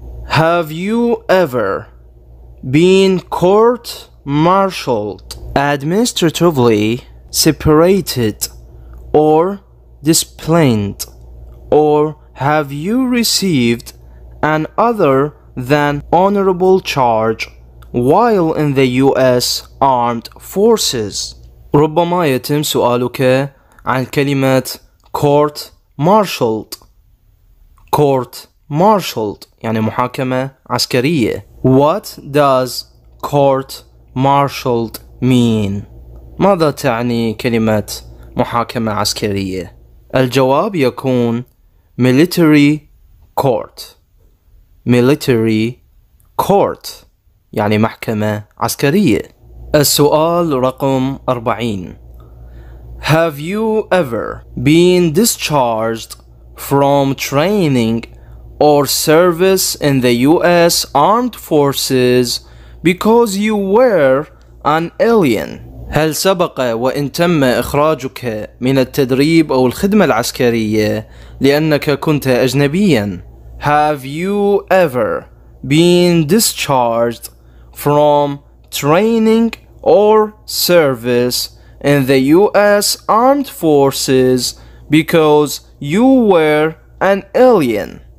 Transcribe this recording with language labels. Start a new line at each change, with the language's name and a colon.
English: Have you ever been court-martialed, administratively separated, or disciplined, or have you received an other than honorable charge while in the U.S. Armed Forces?
Arabic: ربما يتم سؤالك عن كلمة court-martialed. Court-martialed يعني محاكمة عسكرية.
English: What does court-martialed mean?
Arabic: ماذا تعني كلمة محاكمة عسكرية؟ الجواب يكون
English: military court.
Arabic: Military court يعني محكمة عسكرية. السؤال رقم 40
English: Have you ever been discharged from training or service in the US Armed Forces because you were an alien?
Arabic: هل سبق وإن تم إخراجك من التدريب أو الخدمة العسكرية لأنك كنت أجنبياً؟
English: Have you ever been discharged from training or service in the US Armed Forces because you were an alien?